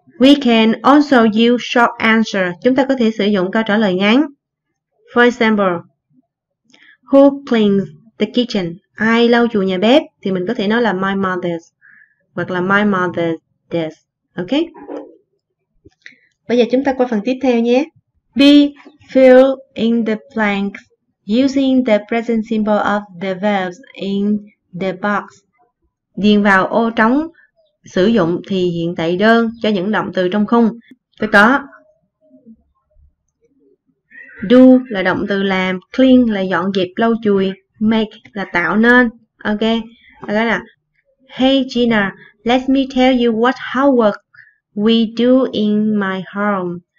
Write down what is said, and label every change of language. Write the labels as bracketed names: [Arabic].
[English] We can also use short answer. [Vietnamese] Chúng ta có thể sử dụng câu trả lời ngắn. [English] For example, who cleans the kitchen? [Vietnamese] Ai lau chùi nhà bếp? Thì mình có thể nói là [English] my mother's [Vietnamese] hoặc là [English] my mother does. Ok? [Vietnamese] Bây giờ chúng ta qua phần tiếp theo nhé. [English] B. Fill in the blanks using the present symbol of the verbs in the box. [Vietnamese] Điền vào ô trống sử dụng thì hiện tại đơn cho những động từ trong khung. Tôi có do là động từ làm, clean là dọn dẹp, lau chùi, make là tạo nên. [English] Ok, [Vietnamese] đó là [English] hey Gina, let me tell you what homework we do in my home.